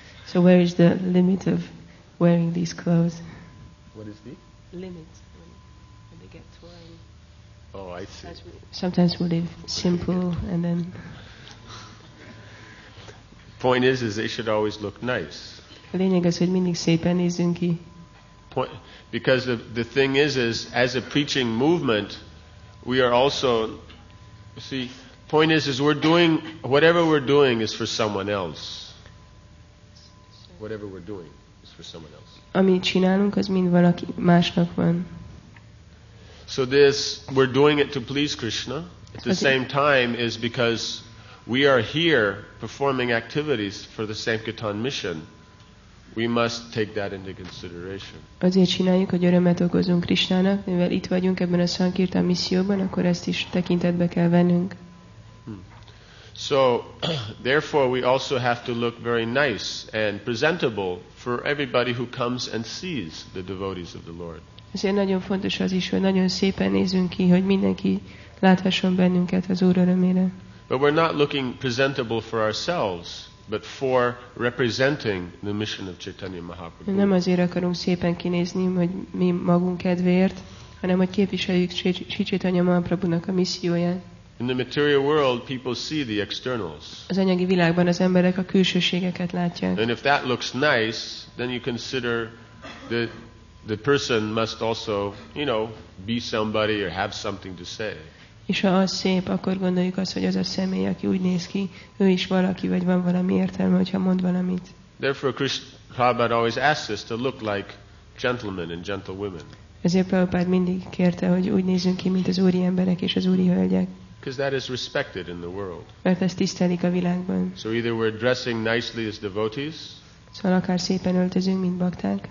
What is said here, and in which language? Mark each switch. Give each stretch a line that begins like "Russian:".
English: So where is the limit of wearing these clothes? What is the limit when they get torn? Oh, I see. Sometimes we live simple, and then. Point is they should always look nice.
Hungarian: A lényeg az, hogy mindig szépen nézzünk ki.
English: Point, because the thing is as a preaching movement, we are also, see, point is we're doing, whatever we're doing is for someone else. Whatever we're doing is for someone else.
Hungarian: Amit csinálunk, az mind valaki másnak van.
English: So this, we're doing it to please Krishna. At the same time is because we are here performing activities for the Sankirtan mission. We must take that into consideration.
Hungarian: Azért csináljuk, hogy örömet okozunk Krisnának, mivel itt vagyunk ebben a Sankirtan misszióban, akkor ezt is tekintetbe kell vennünk.
English: So, therefore we also have to look very nice and presentable for everybody who comes and sees the devotees of the Lord.
Hungarian: Ezért nagyon fontos az is, hogy nagyon szépen nézzünk ki, hogy mindenki láthasson bennünket az Úr örömére.
English: But we're not looking presentable for ourselves, but for representing the mission of Chaitanya Mahaprabhu.
Hungarian: Nem azért akarunk szépen kinézni, hogy mi magunk kedvéért, hanem hogy képviseljük Chaitanya Mahaprabhunak a misszióját.
English: In the material world, people see the externals.
Hungarian: Az anyagi világban az emberek a külsőségeket látják.
English: And if that looks nice, then you consider the person must also, you know, be somebody or have something to say.
Hungarian: És ha az szép, akkor gondoljuk azt, hogy az a személy, aki úgy néz ki, ő is valaki, vagy van valami értelme, hogyha mond valamit.
English: Therefore, Krishna Prabhupada always asked us to look like gentlemen and gentlewomen.
Hungarian: Ezért Prabhupada mindig kérte, hogy úgy nézzünk ki, mint az úri emberek és az úri hölgyek.
English: Because that is respected in the world.
Hungarian: Mert ezt tisztelik a világban.
English: So either we're dressing nicely as devotees.
Hungarian: Szóval akár szépen öltözünk, mint bakták.